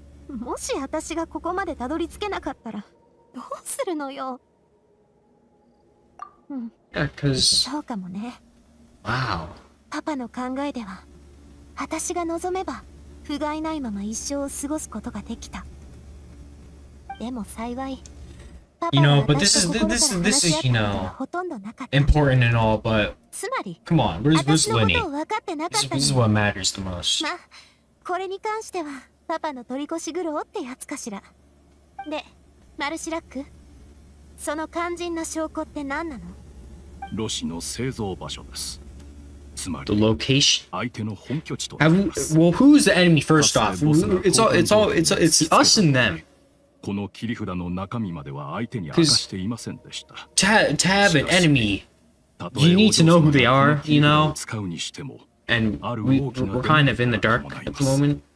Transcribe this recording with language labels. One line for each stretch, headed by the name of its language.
Japanese: もし私がここまでたどり着けなかったらどうするのよ。うん、
English: yeah, cause...
Japanese: そうかもね。
English: Wow.
Japanese: パパの考えでは私が望めば不甲斐ないまま一生を過ごすことができた。でも幸い、
English: You know, but this is, you know, important and all, but come on, where's Lenny? This is what matters the most.
Japanese: まあ、これに関してはパパの取り越し苦労ってやつかしら。で、マルシラック、その肝心な証拠って何なの？ロシの製造場所です。
English: The location.
Japanese: 相手の本拠地と。
English: Well, who's the enemy first off? It's us and them.
Japanese: この切り札の中身までは相手に明かしていませんでした。
English: To have an enemy, you need to know who they are, you know? And we're kind of in the dark at the moment.